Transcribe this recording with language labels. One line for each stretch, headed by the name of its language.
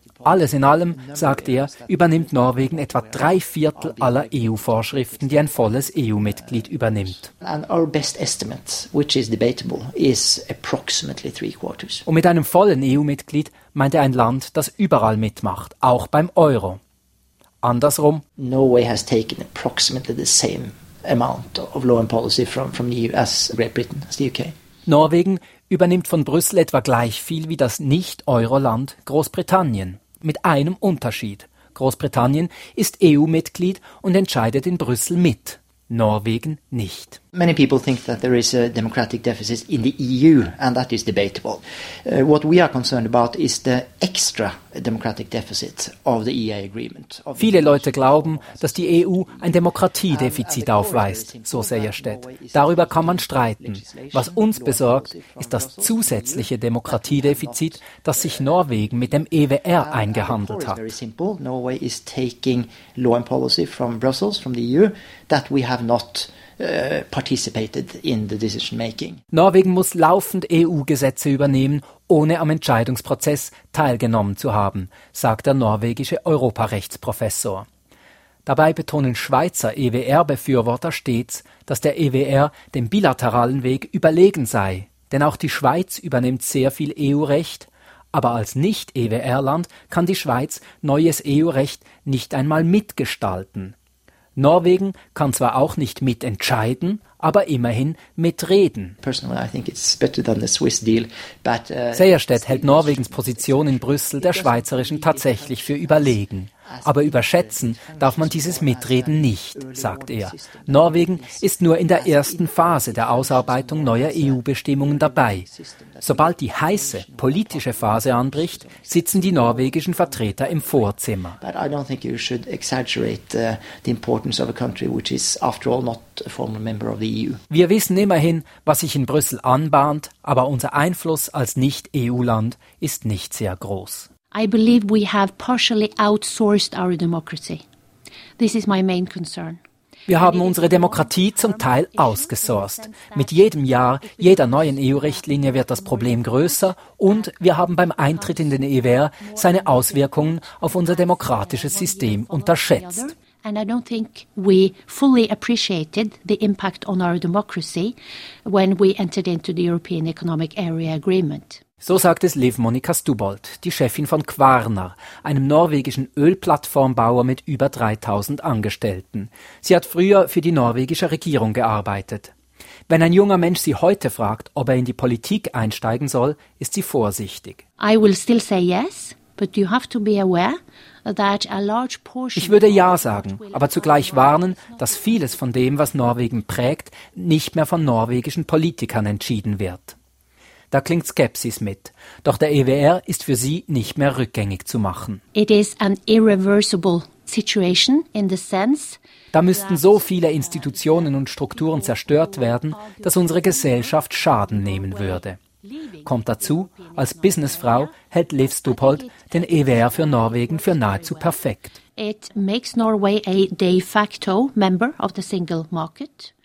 German: Alles in allem, sagt er, übernimmt Norwegen etwa 3/4 aller EU-Vorschriften, die ein volles EU-Mitglied übernimmt. Und mit einem vollen EU-Mitglied meint er ein Land, das überall mitmacht, auch beim Euro. Andersrum:
English: Norway has taken approximately the same amount of law and policy from the EU as Great Britain, as the UK.
German: Norwegen übernimmt von Brüssel etwa gleich viel wie das Nicht-Euro-Land Großbritannien. Mit einem Unterschied. Großbritannien ist EU-Mitglied und entscheidet in Brüssel mit. Norwegen nicht.
English: Many people think that there is a democratic deficit in the EU, and that is debatable. What we are concerned about is the extra democratic deficit of the EEA agreement.
German: Viele Leute glauben, dass die EU ein Demokratiedefizit aufweist, so Sejersted. Darüber kann man streiten. Was uns besorgt, ist das zusätzliche Demokratiedefizit, das sich Norwegen mit dem EWR eingehandelt hat.
English: Very simple. Norway is taking law and policy from Brussels, from the EU, that we have not participated in the decision making.
German: Norwegen muss laufend EU-Gesetze übernehmen, ohne am Entscheidungsprozess teilgenommen zu haben, sagt der norwegische Europarechtsprofessor. Dabei betonen Schweizer EWR-Befürworter stets, dass der EWR dem bilateralen Weg überlegen sei, denn auch die Schweiz übernimmt sehr viel EU-Recht, aber als Nicht-EWR-Land kann die Schweiz neues EU-Recht nicht einmal mitgestalten. Norwegen kann zwar auch nicht mitentscheiden, aber immerhin mitreden. Sejersted hält Norwegens Position in Brüssel der schweizerischen tatsächlich für überlegen. Aber überschätzen darf man dieses Mitreden nicht, sagt er. Norwegen ist nur in der ersten Phase der Ausarbeitung neuer EU-Bestimmungen dabei. Sobald die heiße politische Phase anbricht, sitzen die norwegischen Vertreter im Vorzimmer.
English: But I don't think you should exaggerate the importance of a country which is after all not a former member of the EU.
German: Wir wissen immerhin, was sich in Brüssel anbahnt, aber unser Einfluss als Nicht-EU-Land ist nicht sehr groß.
English: I believe we have partially outsourced our democracy. This is my main concern.
German: Wir haben unsere Demokratie zum Teil ausgesourced. Mit jedem Jahr, jeder neuen EU-Richtlinie wird das Problem größer und wir haben beim Eintritt in den EWR seine Auswirkungen auf unser demokratisches System unterschätzt.
English: And I don't think we fully appreciated the impact on our democracy when we entered into the European Economic Area Agreement.
German: So sagt es Liv Monica Stubolt, die Chefin von Kvaerner, einem norwegischen Ölplattformbauer mit über 3000 Angestellten. Sie hat früher für die norwegische Regierung gearbeitet. Wenn ein junger Mensch sie heute fragt, ob er in die Politik einsteigen soll, ist sie vorsichtig.
English: I will still say yes, but you have to be aware.
German: Ich würde ja sagen, aber zugleich warnen, dass vieles von dem, was Norwegen prägt, nicht mehr von norwegischen Politikern entschieden wird. Da klingt Skepsis mit. Doch der EWR ist für sie nicht mehr rückgängig zu machen.
English: It is an irreversible situation in the sense.
German: Da müssten so viele Institutionen und Strukturen zerstört werden, dass unsere Gesellschaft Schaden nehmen würde. Kommt dazu, als Businessfrau hält Liv Stubholt den EWR für Norwegen für nahezu perfekt.
English: It makes Norway a de facto member of the single market.